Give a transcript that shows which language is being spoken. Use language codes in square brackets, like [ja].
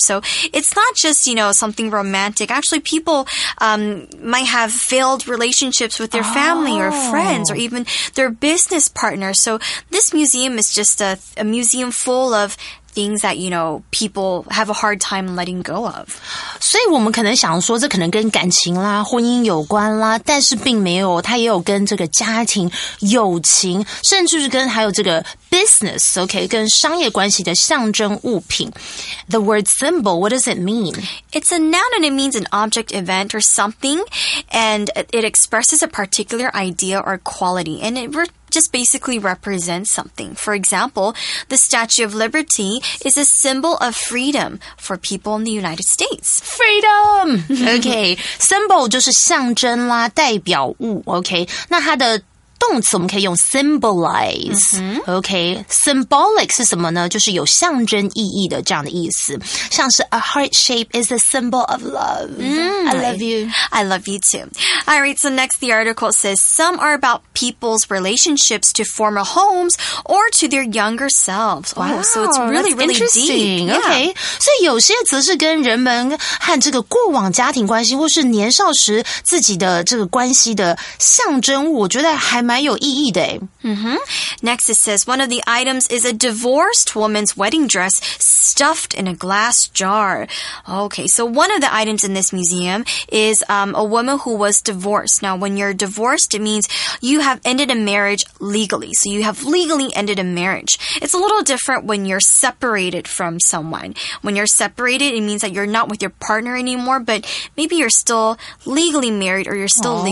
[en] So it's not just, you know, something romantic. Actually, people might have failed relationships with their family、oh. or friends or even their business partners. So this museum is just a museum full of things that, you know, people have a hard time letting go of. [zh] 所以我们可能想说这可能跟感情啦婚姻有关啦，但是并没有，它也有跟这个家庭友情甚至是跟还有这个 business, OK, 跟商业关系的象征物品。 [en] The word symbol, what does it mean? It's a noun and it means an object, event or something, and it expresses a particular idea or quality, and it just basically represents something. For example, the Statue of Liberty is a symbol of freedom for people in the United States. [zh] Freedom! Okay, symbol 就是象征啦，代表物。Okay, 那它的动词我们可以用 symbolize、 mm-hmm. OK symbolic 是什么呢就是有象征意义的这样的意思像是 [en] a heart shape is a symbol of love、 mm-hmm. I love you I love you too Alright so next the article says some are about people's relationships to former homes or to their younger selves Wow、 oh, so it's really really deep、yeah. [zh] OK 所以有些则是跟人们和这个过往家庭关系或是年少时自己的这个关系的象征物我觉得还蛮有意义的、欸 mm-hmm. [en] Next it says one of the items is a divorced woman's wedding dress stuffed in a glass jar Okay, so one of the items in this museum is、a woman who was divorced Now when you're divorced it means you have ended a marriage legally So you have legally ended a marriage It's a little different when you're separated from someone When you're separated it means that you're not with your partner anymore But maybe you're still legally married or you're still、oh.